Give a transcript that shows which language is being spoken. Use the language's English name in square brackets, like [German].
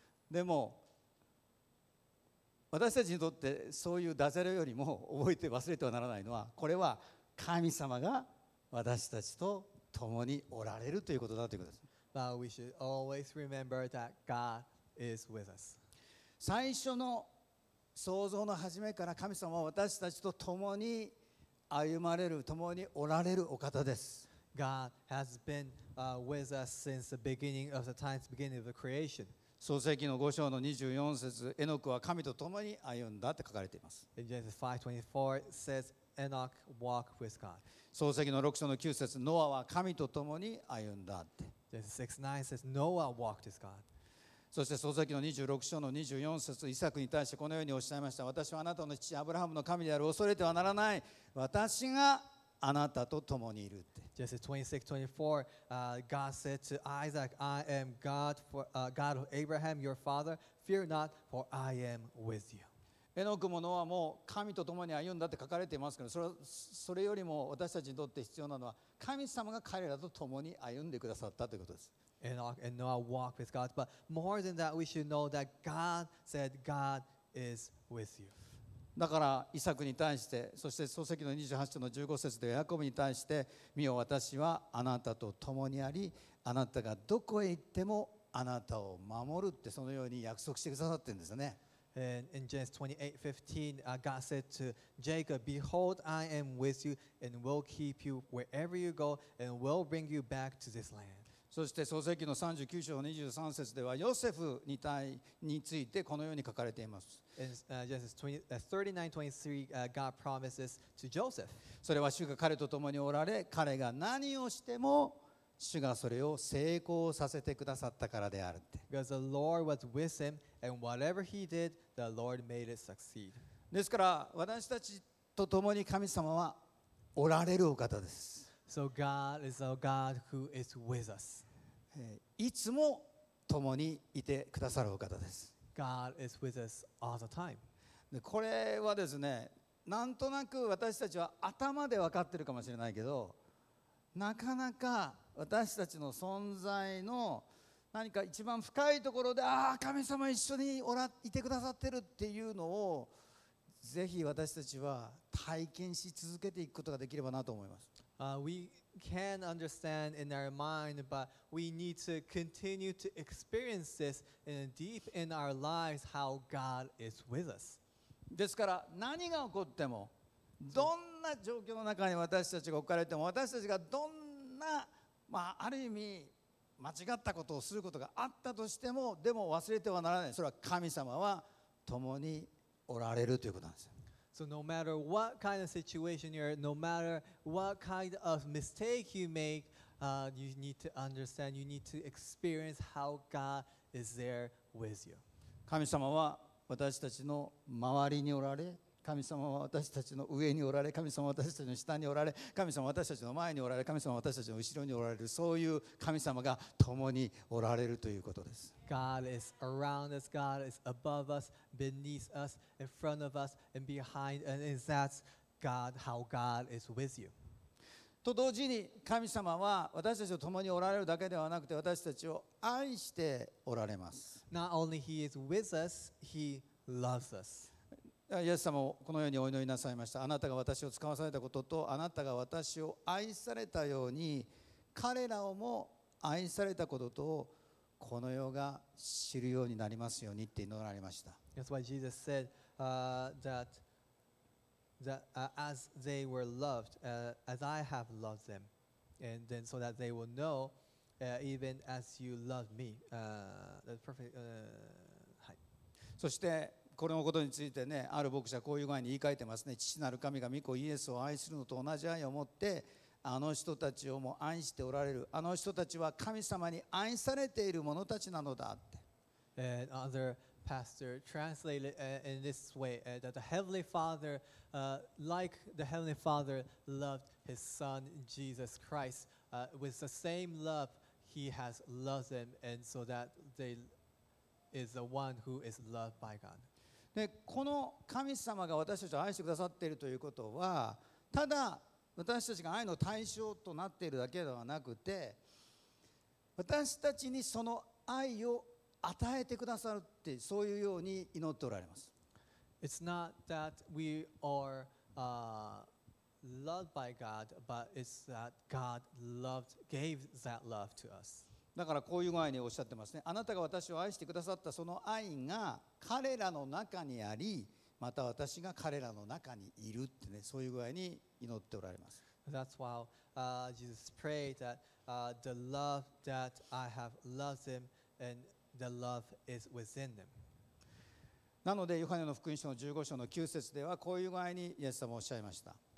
[Japanese] でも私たちにとってそういうダジャレよりも覚えて忘れてはならないのは、これは神様が私たちと共におられるということだということです。 [English] But we should always remember that God is with us. [Japanese] 最初の創造の始めから神様は私たちと共に歩まれる、共におられるお方です。 [English] God has been with us since the beginning of the times, beginning of the creation. [Japanese] 創世記の5章の24節、エノクは神と共に歩んだって書かれています。 [English] In Genesis 5:24 it says,Enoch walked with God. [Japanese] 創世記の6章の9節、ノアは神と共に歩んだって。 [English] Genesis 6:9 says, Noah walked with God. [Japanese] そして創世記の26章の24節、イサクに対してこのようにおっしゃいました。私はあなたの父アブラハムの神である。恐れてはならない。私があなたと共にいるって。 [English] Genesis 26:24, God said to Isaac, I am God, God of Abraham, your father. Fear not, for I am with you. [Japanese] エノクもノアも神と共に歩んだって書かれていますけど、それよりも私たちにとって必要なのは神様が彼らと共に歩んでくださったということです。 [English] エノク and Noah walked with God, but more than that, we should know that God said God is with you. [Japanese] だからイサクに対して、そして創世記の28章の15節でヤコブに対して、見よ、私はあなたと共にあり、あなたがどこへ行ってもあなたを守るってそのように約束してくださってるんですよね。 [English] And in Genesis 28:15, God said to Jacob, Behold, I am with you and will keep you wherever you go and will bring you back to this land. [Japanese] そして創世記の39章23節ではヨセフに対についてこのように書かれています。 [English] Genesis 39:23, God promises to Joseph. [Japanese] それは主が彼と共におられ彼が何をしても主がそれを成功させてくださったからであるって。 [English] Because the Lord was with him and whatever he did the Lord made it succeed. [Japanese] ですから私たちと共に神様はおられるお方です。 [English] So God is a God who is with us. [Japanese] いつも共にいてくださるお方です。 [English] God is with us all the time. [Japanese] でこれはですね、なんとなく私たちは頭で分かってるかもしれないけど、なかなか私たちの存在の何か一番深いところで、ああ神様一緒にいてくださってるっていうのをぜひ私たちは体験し続けていくことができればなと思います。 [English] We can understand in our mind, but we need to continue to experience this in deep in our lives how God is with us. [Japanese] ですから何が起こってもどんな状況の中に私たちが置かれても私たちがどんな、まあ、ある意味間違ったことをすることがあったとしてもでも忘れてはならない。それは神様は共におられるということなんです。 [English] So no matter what kind of situation you're in, no matter what kind of mistake you make, you need to understand, you need to experience how God is there with you. [Japanese] 神様は私たちの周りにおられ、神様は私たちの上におられ、神様は私たちの下におられ、神様は私たちの前におられ、神様は私たちの後ろにおられる、そういう神様が共におられるということです。 [English] God is around us, God is above us, beneath us, in front of us, and behind us, and that's God, how God is with you. [Japanese] と同時に神様は私たちと共におられるだけではなくて私たちを愛しておられます。 [English] Not only he is with us, he loves us. [Japanese] イエス様もこのようにお祈りなさいました。あなたが私を使わされたこととあなたが私を愛されたように彼らをも愛されたこととこの世が知るようになりますようにって祈られました。 [English] That's why Jesus said that as they were loved, as I have loved them, and then so that they will know, even as you love me. [Japanese] はい。そしてこのことについてね、ある牧者はこういう具合に言い換えてますね。父なる神が御子イエスを愛するのと同じ愛を持って、あの人たちをも愛しておられる。あの人たちは神様に愛されている者たちなのだって。 [English] And other pastor translated in this way, that the Heavenly Father, like the Heavenly Father loved his son Jesus Christ, with the same love he has loved them, and so that they is the one who is loved by God. [Japanese] でこの神様が私たちを愛してくださっているということはただ私たちが愛の対象となっているだけではなくて私たちにその愛を与えてくださるってそういうように祈っておられます。 [English] It's not that we are loved by God but it's that God loved, gave that love to us. [Japanese] だからこういう具合におっしゃってますね。あなたが私を愛してくださったその愛が彼らの中にあり、また私が彼らの中にいるってね、そういう具合に祈っておられます。 [English] That's why Jesus prayed that the love that I have loved them and the love is within them. [Japanese] なのでヨハネの福音書の15章の9節ではこういう具合にイエス様おっしゃいました。